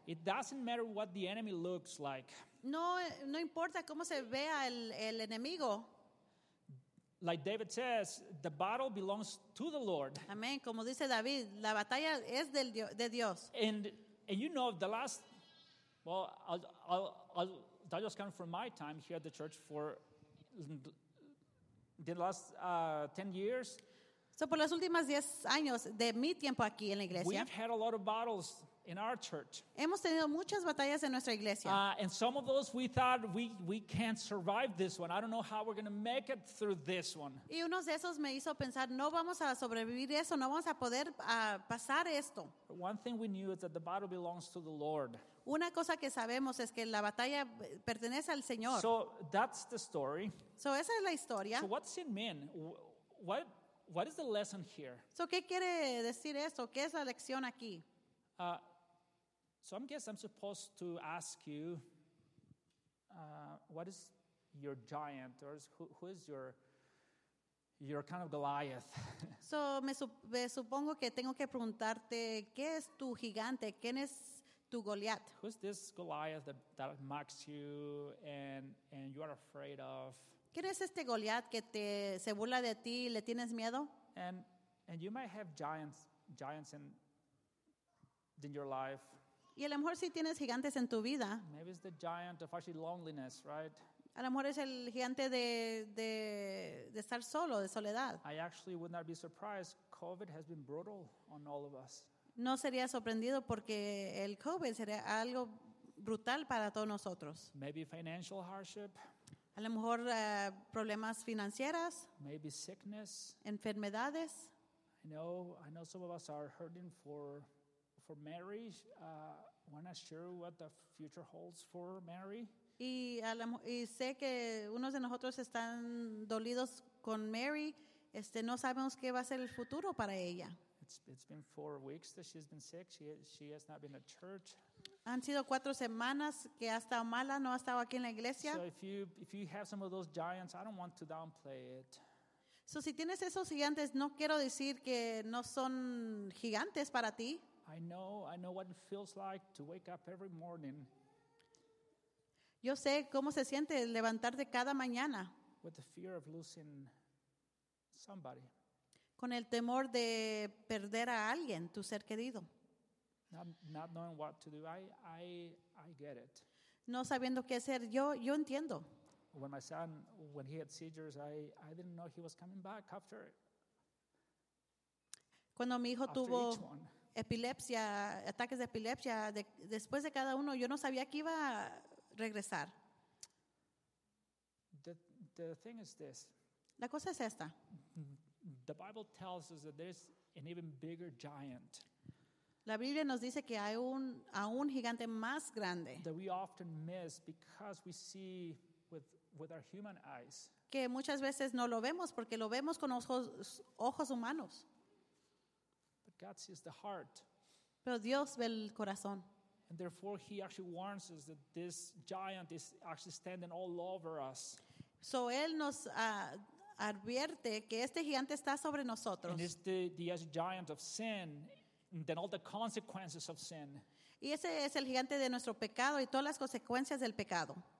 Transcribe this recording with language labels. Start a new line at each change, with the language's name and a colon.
English: It doesn't matter what the enemy looks like.
Spanish: No importa cómo se vea el enemigo.
English: Like David says, the battle belongs to the Lord.
Spanish: Amén. Como dice David, la batalla es de Dios.
English: And you know, the last, well, I'll that just came from my time here at the church for the last 10 years.
Spanish: So por las últimas 10 años de mi tiempo aquí en la iglesia.
English: We've had a lot of battles. In our church.
Spanish: Hemos tenido muchas batallas en nuestra iglesia.
English: And some of those we thought we can't survive this one. I don't know how we're going to make it through this one.
Spanish: Y unos de esos me hizo pensar, no vamos a sobrevivir eso, no vamos a poder pasar esto.
English: But one thing we knew is that the battle belongs to the Lord.
Spanish: Una cosa que sabemos es que la batalla pertenece al Señor.
English: So that's the story.
Spanish: So esa es la historia.
English: So what's it mean? What is the lesson here?
Spanish: So qué quiere decir esto? ¿Qué es la lección aquí?
English: So I guess I'm supposed to ask you, what is your giant, or who is your kind of Goliath?
Spanish: So me supongo que tengo que preguntarte, ¿qué es tu gigante? ¿Quién es tu Goliath?
English: Who is this Goliath that mocks you and you are afraid of?
Spanish: ¿Quién es este Goliath que se burla de ti y le tienes miedo?
English: And you might have giants in your life.
Spanish: Y a lo mejor sí tienes gigantes en tu vida.
English: Maybe it's the giant of actually loneliness, right?
Spanish: A lo mejor es el gigante de estar solo, de soledad.
English: I actually would not be surprised. COVID has been brutal on all of us.
Spanish: No sería sorprendido porque el COVID sería algo brutal para todos nosotros.
English: Maybe financial hardship.
Spanish: A lo mejor problemas financieras.
English: Maybe sickness.
Spanish: Enfermedades.
English: I know some of us are hurting for Mary, we're not sure what the future holds for Mary.
Spanish: Y sé que unos de nosotros están dolidos con Mary. No sabemos qué va a ser el futuro para ella.
English: It's been 4 weeks that she's been sick. She has not been at church.
Spanish: Han sido 4 semanas que ha estado mala. No ha estado aquí en la iglesia.
English: So if you have some of those giants, I don't want to downplay it.
Spanish: So si tienes esos gigantes, no quiero decir que no son gigantes para ti.
English: I know what it feels like to wake up every morning.
Spanish: Yo sé cómo se siente levantarte cada mañana.
English: With the fear of losing somebody.
Spanish: Con el temor de perder a alguien, tu ser querido.
English: Not knowing what to do, I get it.
Spanish: No sabiendo qué hacer, yo entiendo.
English: When my son, when he had seizures, I didn't know he was coming back after.
Spanish: Cuando mi hijo tuvo epilepsia, ataques de epilepsia, después de cada uno, yo no sabía que iba a regresar.
English: The thing is this.
Spanish: La cosa es esta.
English: The Bible tells us that there's an even bigger giant.
Spanish: La Biblia nos dice que hay aún gigante más grande.
English: That we often miss because we see with our human eyes.
Spanish: Que muchas veces no lo vemos porque lo vemos con ojos humanos.
English: But God sees the heart.
Spanish: Pero Dios ve el corazón.
English: And therefore he actually warns us that this giant is actually standing all over us.
Spanish: So él nos advierte que este gigante está sobre nosotros.
English: And it's the giant of sin, and then all the consequences of sin.
Spanish: Y ese es el gigante de nuestro pecado y todas las consecuencias del pecado.